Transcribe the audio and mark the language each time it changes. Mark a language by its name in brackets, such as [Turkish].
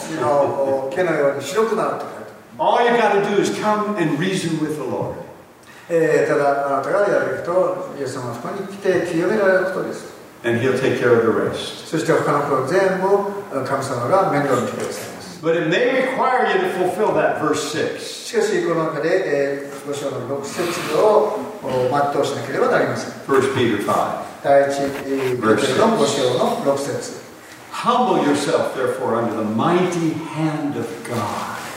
[English] All you got to do is come and reason with the Lord. [Japanese] ただあなたがやると、イエス様のそこに来て清められることです。 [English] And he'll take care of the rest. [Japanese] そして他のこと全部神様が面倒見てくださいます。 [English] But it may require you to fulfill that verse 6. [Japanese] しかしこの中で、5章の6節を全うしなければなりません。 [English] 1 Peter 5. [Japanese] 第1、 [English] verse 6. [Japanese] 5章の6節。 [English] Humble yourself therefore under the mighty hand of God.